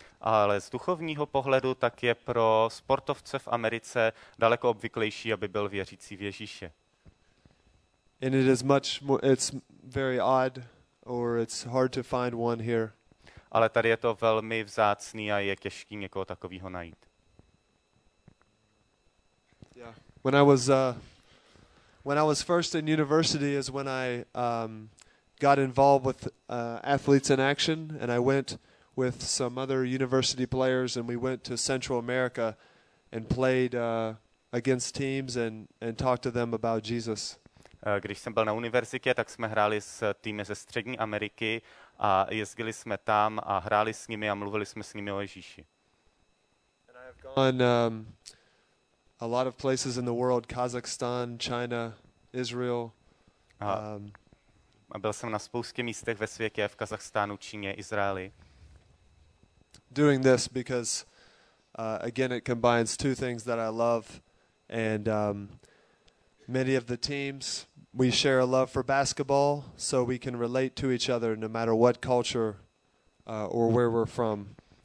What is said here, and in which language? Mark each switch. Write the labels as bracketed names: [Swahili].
[Czech] Ale z duchovního pohledu tak je pro sportovce v Americe daleko obvyklejší, aby byl věřící v Ježíše. [English] And it is much more, it's very odd or it's hard to find one here. [Czech] Ale tady je to velmi vzácný a je těžký někoho takového najít. [English] Yeah. When I was first in university is when I got involved with Athletes in Action and I went with some other university players and we went to Central America and played against teams and talked to them about Jesus. [Czech] Když jsem byl na univerzitě, tak jsme hráli s týmy ze střední Ameriky a jezdili jsme tam a hráli s nimi a mluvili jsme s nimi o Ježíši. [English] And I have gone a lot of places in the world, Kazakhstan, China, Israel. [Czech] A byl jsem na spoustě místech ve světě, v Kazachstánu, Číně, Izraeli. [English] Doing this because again it combines two things that I love and many of the teams we share a love for basketball so we can relate to each other no matter what culture or where we're from.